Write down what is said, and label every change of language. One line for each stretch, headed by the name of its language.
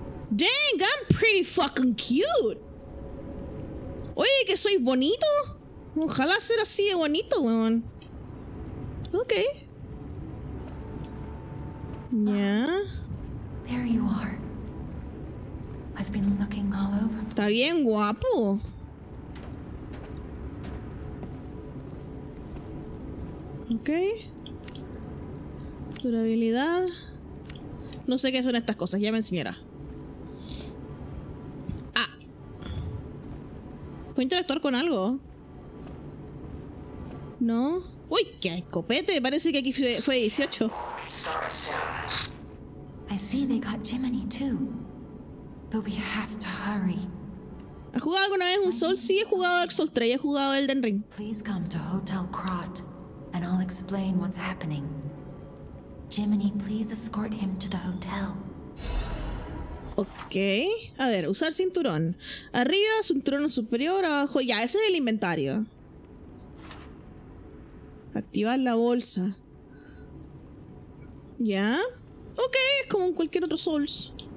English: Dang, I'm pretty fucking cute.
Spanish: Oye, que soy bonito. Ojalá ser así de bonito, weón. Ok. Ya.
English: Yeah. There you are. I've been looking all over.
Spanish: Está bien guapo. Ok. Durabilidad. No sé qué son estas cosas, ya me enseñará. Ah. Voy a interactuar con algo. No. Uy, qué escopete. Parece que aquí fue 18.
English: I see they got Jiminy too. But we have to hurry.
Spanish: ¿Has jugado alguna vez un Soul? Sí, he jugado Dark Souls 3 y he jugado Elden Ring.
English: Please come to Hotel Krat and I'll explain what's happening. Jiminy, please escort him to the hotel.
Spanish: Ok. A ver, usar cinturón. Arriba, cinturón superior, abajo. Ya, ese es el inventario. Activar la bolsa. ¿Ya? Ok, es como en cualquier otro Souls.